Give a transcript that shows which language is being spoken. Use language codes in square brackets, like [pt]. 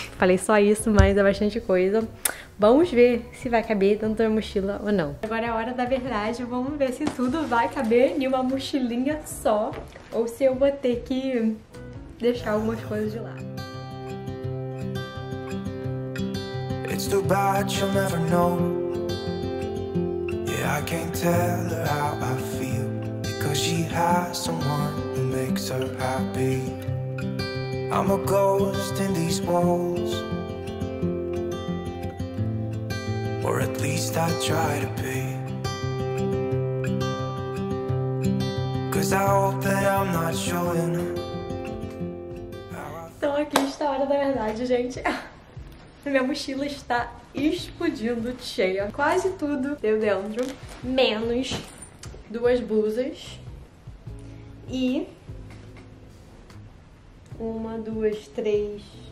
[pt] Falei só isso, mas é bastante coisa. Vamos ver se vai caber dentro da mochila ou não. Agora é a hora da verdade. Vamos ver se tudo vai caber em uma mochilinha só. Ou se eu vou ter que deixar algumas coisas de lado. [en] It's too bad she'll never know. Yeah, I can't tell her how I feel. Because she has someone who makes her happy. I'm a ghost in these walls. Or at least I try to be. Cause I hope that I'm not showing how I [pt] Então aqui está a hora da verdade, gente. Minha mochila está explodindo cheia. Quase tudo deu dentro, menos duas blusas, E uma, duas, três.